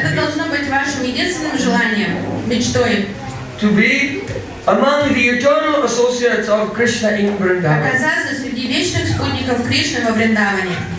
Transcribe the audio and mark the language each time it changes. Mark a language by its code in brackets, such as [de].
[ru] Это должно быть вашим единственным желанием, мечтой. [en] To be among the eternal associates of Krishna in Vrindavan. [ru] Оказаться среди вечных спутников Кришны во Вриндаване.